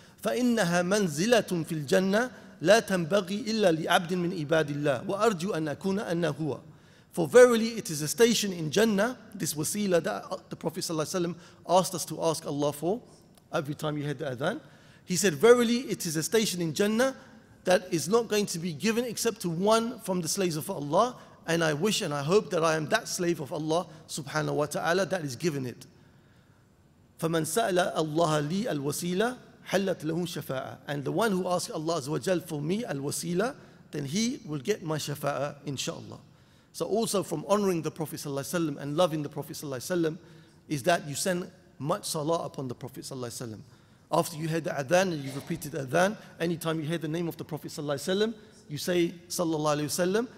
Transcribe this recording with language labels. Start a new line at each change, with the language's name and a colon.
Arabic: فَإِنَّهَا مَنْزِلَةٌ فِي الْجَنَّةِ لا تنبغي إلا لعبد من عباد الله وأرجو أن أكون أنا هو.
English: For verily it is a station in Jannah, this wasila that the Prophet ﷺ asked us to ask Allah for every time you heard the adhan. He said, verily it is a station in Jannah that is not going to be given except to one from the slaves of Allah, and I wish and I hope that I am that slave of Allah subhanahu wa ta'ala that is given it.
Arabic: فمن سأل الله لي الوسيلة حلت له شفاعة.
English: And the one who asks Allah Azza wa Jal for me al-wasila, then he will get my shafa'a inshaAllah. So also from honoring the Prophet Sallallahu Alaihi Wasallam and loving the Prophet Sallallahu Alaihi Wasallam is that you send much salah upon the Prophet Sallallahu Alaihi Wasallam. After you hear the adhan and you repeated adhan, anytime you hear the name of the Prophet Sallallahu Alaihi Wasallam, you say Sallallahu Alaihi Wasallam.